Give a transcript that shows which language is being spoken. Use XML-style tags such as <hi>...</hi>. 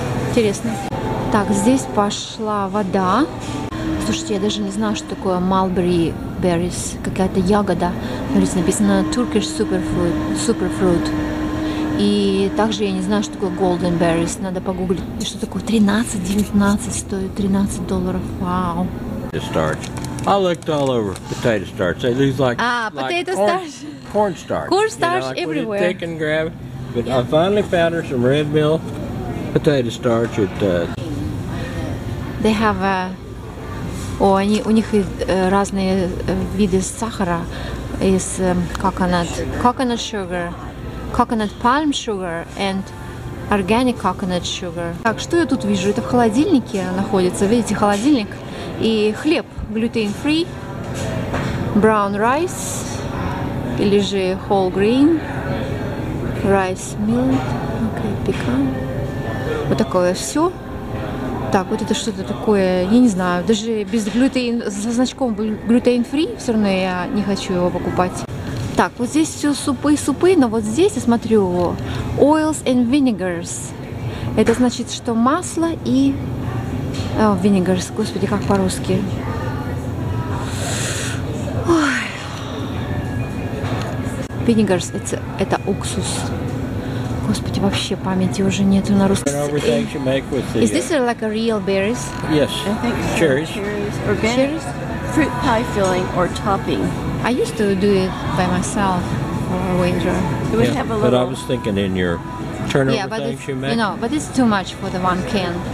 <ru>Интересно. Так, здесь пошла вода. Слушайте, я даже не знаю, что такое mulberry berries, какая-то ягода. Смотрите, написано Turkish superfruit. И также я не знаю, что такое golden berries, надо погуглить. И что такое? 13.19 стоит, $13, вау.</ru> <en>I looked all over potato starch. They look like, potato starch. Corn starch. Corn starch everywhere. Take and grab. But yeah. I finally found her some Red Mill potato starch. They have a...</en> <ru>у них разные виды сахара.</ru> <en>Is coconut sugar, coconut palm sugar, and organic coconut sugar.</en> <ru>Так, что я тут вижу? Это в холодильнике находится. Видите, холодильник. И хлеб gluten-free, brown rice, или же whole grain, rice milled, okay, pecan. Вот такое все. Так, вот это что-то такое, я не знаю, даже без gluten, со значком gluten-free, все равно я не хочу его покупать. Так, вот здесь все супы, но вот здесь я смотрю, oils and vinegars. Это значит, что масло и... винегарс, господи, как по-русски. Винегарс, это уксус. Господи, вообще памяти уже нету на русском.</ru> <en>Is this like a real berries? Yes. I think so. Cherries. Cherries. Fruit pie filling or topping. I used to do it by myself for a waiter. It would have a little. But I was thinking in your turnover yeah, but things it's, you make. You know, but it's too much for the one can.</en>